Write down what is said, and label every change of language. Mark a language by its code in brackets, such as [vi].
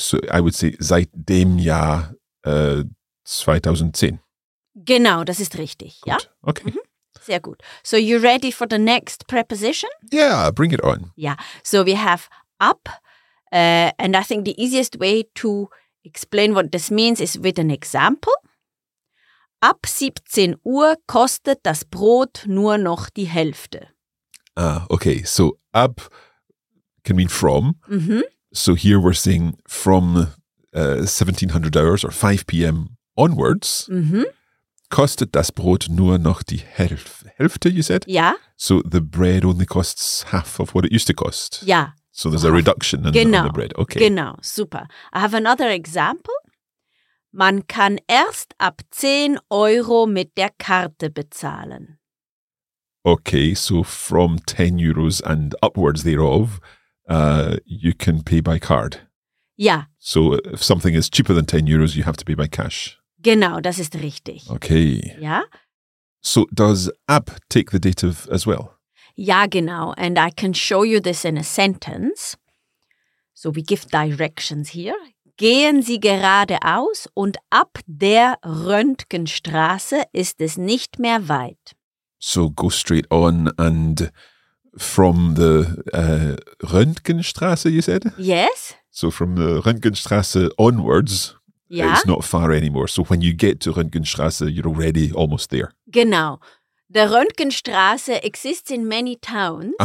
[en] So I would say [de] seit dem Jahr 2010. Genau, das ist richtig. Gut. Ja. [en] Okay. Mm-hmm. [de] Sehr gut. [en] So you ready for the next preposition? Yeah, bring it on. Yeah. So we have up. And I think the easiest way to explain what this means is with an example. [de] Ab 17 Uhr kostet das Brot nur noch die Hälfte. [en] Ah, okay. So ab can mean from. Mm-hmm. So here we're saying from 1700 hours or 5 p.m. onwards. Mm-hmm. [de] Kostet das Brot nur noch die Hälfte, [en] you said? [de] Ja. [en] So the bread only costs half of what it used to cost. [de] Ja. [en] So there's a reduction in [de] genau, [en] the bread. Okay. [de] Genau, super. [en] I have another example. [de] Man kann erst ab 10 Euro mit der Karte bezahlen. [en] Okay, so from 10 euros and upwards thereof, you can pay by card. Yeah. So if something is cheaper than 10 euros, you have to pay by cash. [de] Genau, das ist richtig. [en] Okay. Yeah. So does ab take the dative as well? [de] Ja, genau. [en] And I can show you this in a sentence. So we give directions here. [de] Gehen Sie geradeaus und ab der Röntgenstraße ist es nicht mehr weit. [en] So go straight on and from the Röntgenstraße, you said? Yes. So from the Röntgenstraße onwards, [de] ja. [en] It's not far anymore. So when you get to Röntgenstraße, you're already almost there. [de] Genau. [en] The Röntgenstraße exists in many towns.